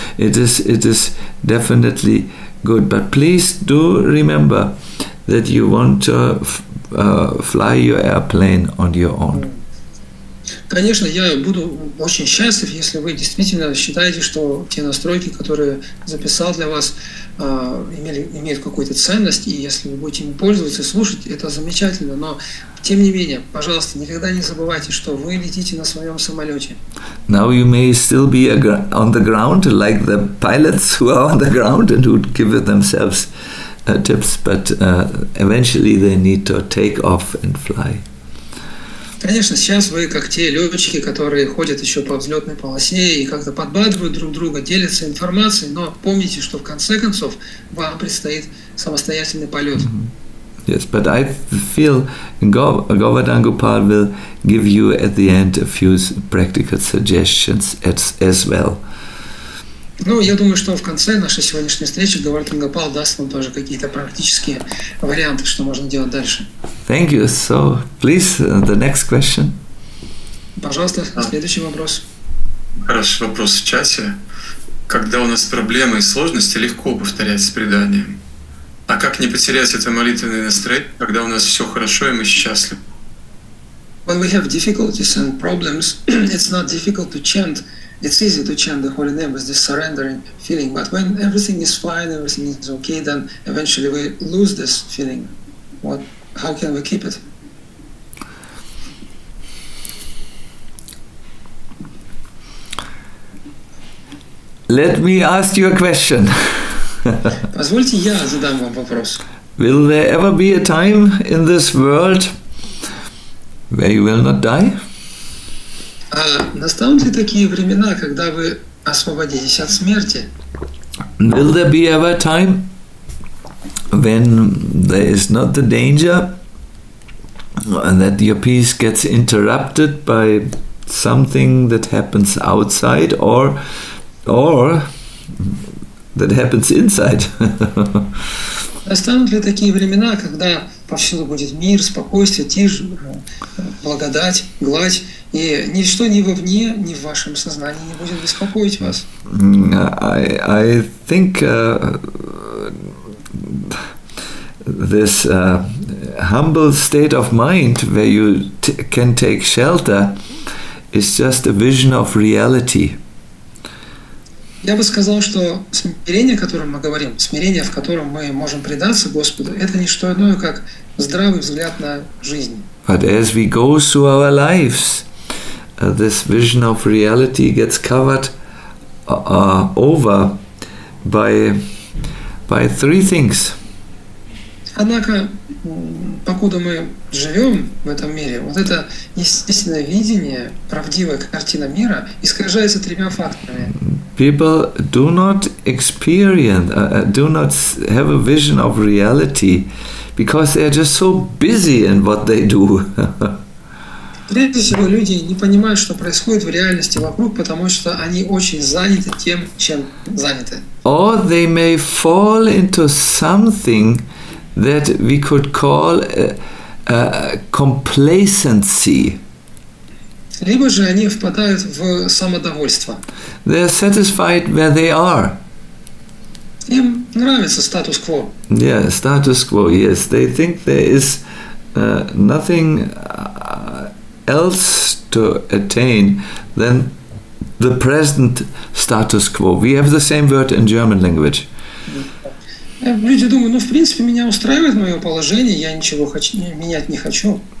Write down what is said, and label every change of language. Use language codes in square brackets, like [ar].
[en] It is definitely good. But please do remember that you want to fly your airplane on your own. [ru] Конечно, я буду очень счастлив, если вы действительно считаете, что те настройки, которые записал для вас, имеют какую-то ценность, и если вы будете им пользоваться, слушать, это замечательно. Но, тем не менее, пожалуйста, никогда не забывайте, что вы летите на своем самолете. [en] Now you may still be on the ground, like the pilots who are on the ground and who give themselves tips, but eventually they need to take off and fly. [ru] Конечно, сейчас вы как те летчики, которые ходят еще по взлетной полосе и как-то подбадривают друг друга, делятся информацией, но помните, что в конце концов вам предстоит самостоятельный полет. Mm-hmm. [en] Yes, but I feel Govardhan Gopal will give you at the end a few practical suggestions as well. [ru] Ну, я думаю, что в конце нашей сегодняшней встречи Говардхан Гопал даст вам тоже какие-то практические варианты, что можно делать дальше. [en] Thank you. So, please, the next question. [ru] Пожалуйста, следующий вопрос. Хороший вопрос в чате. Когда у нас проблемы и сложности, легко повторять с преданием. А как не потерять это молитвенное настроение, когда у нас все хорошо и мы счастливы? [en] When we have difficulties and problems, it's not difficult to chant. It's easy to chant the holy name with this surrendering feeling, but when everything is fine, everything is okay, then eventually we lose this feeling. What? How can we keep it? Let me ask you a question. [ru] Позвольте, я задам вам вопрос. [en] Will there ever be a time in this world where you will not die? [ru] Настанут ли такие времена, когда вы освободитесь от смерти? [en] Will there be ever a time when there is not the danger and that your peace gets interrupted by something that happens outside or that happens inside? [ru] Настанут ли такие времена, когда повсюду будет мир, спокойствие, тишь, благодать, гладь, и ничто ни вовне, ни в вашем сознании не будет беспокоить вас? [en] I think this humble state of mind, where you can take shelter, is just a vision of reality. [ru] Я бы сказал, что смирение, о котором мы говорим, смирение, в котором мы можем предаться Господу, это не что иное, как здравый взгляд на жизнь. [en] But as we go through our lives, this vision of reality gets covered over by three things. [ru] Однако, покуда мы живем в этом мире, вот это естественное видение, правдивая картина мира, искажается тремя факторами. [en] People do not experience, do not have a vision of reality, because they are just so busy in what they do. [ru] Прежде всего, люди не понимают, что происходит в реальности вокруг, потому что они очень заняты тем, чем заняты. [en] Or they may fall into something that we could call complacency. [ru] Либо же они впадают в самодовольство. [en] They are satisfied where they are. [ru] Им нравится status quo. [en] Yeah, status quo, yes. They think there is nothing else to attain than the present status quo. We have the same word in German language. [ru] Люди думают, ну, в принципе, меня устраивает мое положение, я ничего менять не хочу.